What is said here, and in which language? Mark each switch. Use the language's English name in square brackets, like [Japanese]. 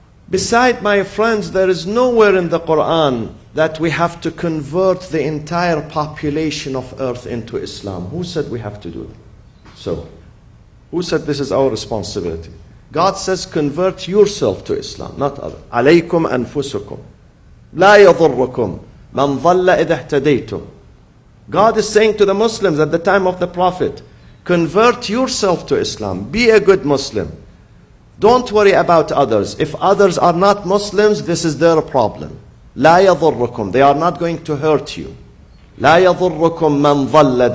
[English] Beside, my friends, there is nowhere in the Quran that we have to convert the entire population of earth into Islam. Who said we have to do that? So, who said this is our responsibility? God says convert yourself to Islam, not others. [Arabic] عليكم أنفسكم لا يضركم من ضل إذا اهتديتم. [English] God is saying to the Muslims at the time of the Prophet, convert yourself to Islam, be a good Muslim. Don't worry about others. If others are not Muslims, this is their problem. [Arabic] لا يضركم. [English] They are not going to hurt you. [Arabic] لا يضركم من ضل.